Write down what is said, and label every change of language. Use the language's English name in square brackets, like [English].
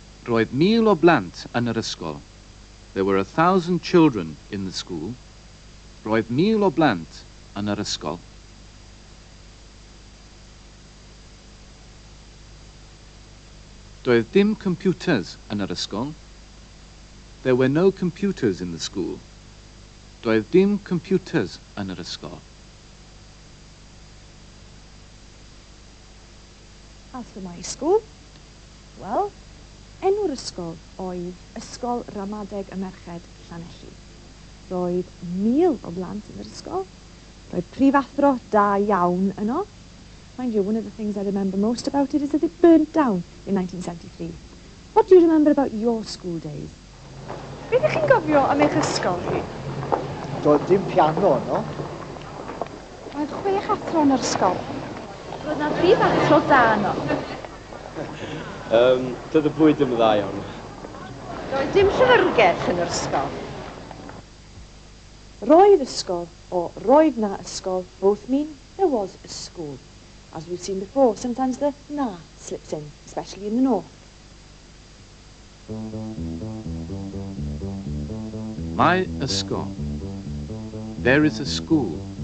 [Welsh] Roedd 1,000 o blant yn yr ysgol. [English] There were 1,000 children in the school. [Welsh] Roedd 1,000 o blant yn yr ysgol. Doedd dim computers yn yr ysgol. [English] There were no computers in the school. [Welsh] Doedd dim computers yn yr ysgol. [English] As for my school, well, [Welsh] enw'r ysgol oedd Ysgol Ramadeg y Merched Llanelli. Roedd 1,000 o blant yn yr ysgol. Roedd prifathro da iawn yno. [English] Mind you, one of the things I remember most about it is that it burnt down in 1973. What do you remember about your school days? [Welsh] Beth ych chi'n gofio am eich ysgol chi? Doedd dim piano yno. Roedd chwech athro yn yr ysgol. Roedd na prifathro da yno. Doedd y bwyd yn dda iawn. Doedd dim llyfrgell yn yr ysgol. Roedd ysgol, [English] or [Welsh] roedd na ysgol, [English] both mean there was a school. As we've seen before, sometimes the na slips in, especially in the north. My ysgol. There is a school.